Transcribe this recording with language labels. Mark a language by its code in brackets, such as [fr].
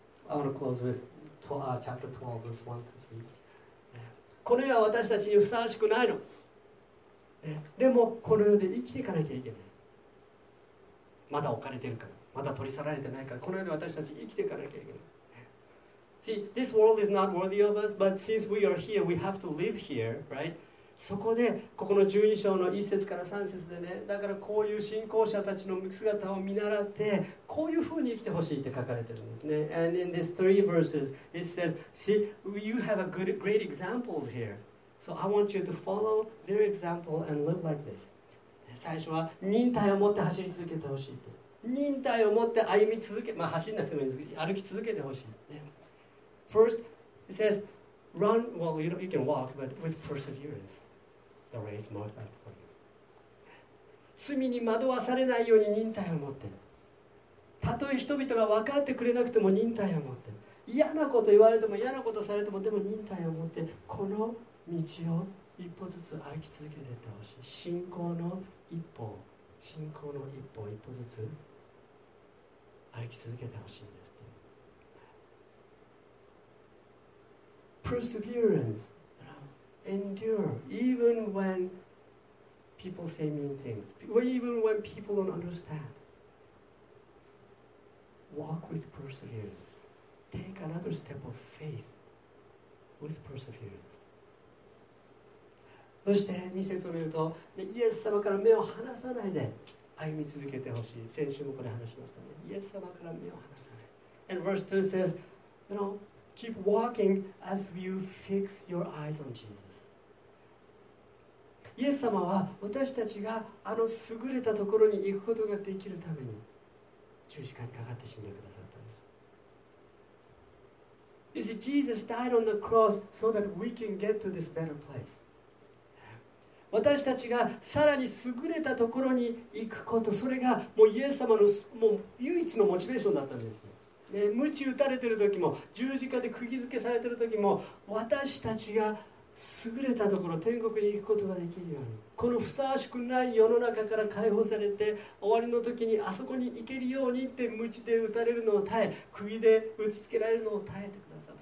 [en] I want to close with chapter 12, verse 1 to 3. [ja] この世は私たちにふさわしくないの。でもこの世で生きていかなきゃいけない。まだ置かれてるから、まだ取り去られてないから、この世で私たち生きていかなきゃいけない。 [en] See, this world is not worthy of us, but since we are here, we have to live here, right? [ja] そこで、ここの12章の1節から3節でね、だからこういう信仰者たちの姿を見習って、こういうふうに生きてほしいって書かれてるんですね。 [en] And in these three verses, it says, See, you have a good, great examples here. So I want you to follow their example and live like this. [ja] 最初は忍耐を持って走り続けてほしいって。忍耐を持って歩み続け、まあ走んなくてもいいんですけど、歩き続けてほしい。 [en] First, it says, run, well, you can walk, but with perseverance, the race marked out for you. [ja] 罪に惑わされないように忍耐を持って。たとえ人々が分かってくれなくても忍耐を持って。嫌なこと言われても嫌なことされても、でも忍耐を持って、この道を一歩ずつ歩き続けていってほしい。信仰の一歩、信仰の一歩、一歩ずつ歩き続けてほしいんですって。 [en] perseverance, you know, endure, even when people say mean things, even when people don't understand. Walk with perseverance. Take another step of faith with perseverance. [ja] そして2節を見ると、イエス様から目を離さないで歩み続けてほしい。先週もこれ話しましたね。イエス様から目を離さない。 [en] And verse 2 says, you know, keep walking as you fix your eyes on Jesus. [ja] イエス様は私たちがあの優れたところに行くことができるために十字架にかかって死んでくださったんです。 [en] You see, Jesus died on the cross so that we can get to this better place. [ja] 私たちがさらに優れたところに行くこと、それがもうイエス様のもう唯一のモチベーションだったんですよ、ね、鞭打たれてる時も十字架で釘付けされてる時も私たちが優れたところ天国に行くことができるように、このふさわしくない世の中から解放されて終わりの時にあそこに行けるようにって鞭で打たれるのを耐え、釘で打ちつけられるのを耐えてください。